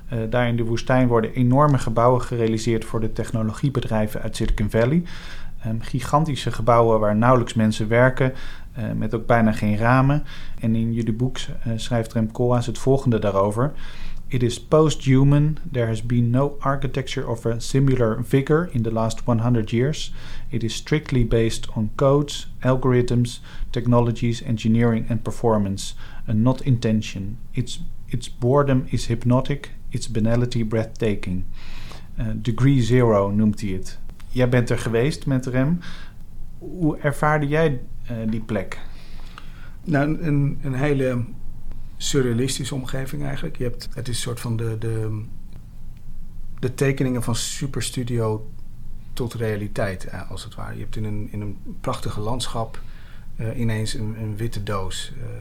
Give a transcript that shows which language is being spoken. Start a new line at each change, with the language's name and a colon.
Dutch: Daar in de woestijn worden enorme gebouwen gerealiseerd voor de technologiebedrijven uit Silicon Valley. Gigantische gebouwen waar nauwelijks mensen werken, met ook bijna geen ramen. En in jullie boek schrijft Rem Koolhaas het volgende daarover:
English: "It is post-human. There has been no architecture of a similar vigor in the last 100 years. It is strictly based on codes, algorithms, technologies, engineering and performance, and not intention. Its boredom is hypnotic, its banality breathtaking."
Dutch: Degree zero noemt hij het. Jij bent er geweest met Rem. Hoe ervaarde jij die plek? Nou, een hele surrealistische omgeving eigenlijk. Het is een soort van de tekeningen van superstudio tot realiteit, als het ware. Je hebt in een prachtige landschap ineens een witte doos.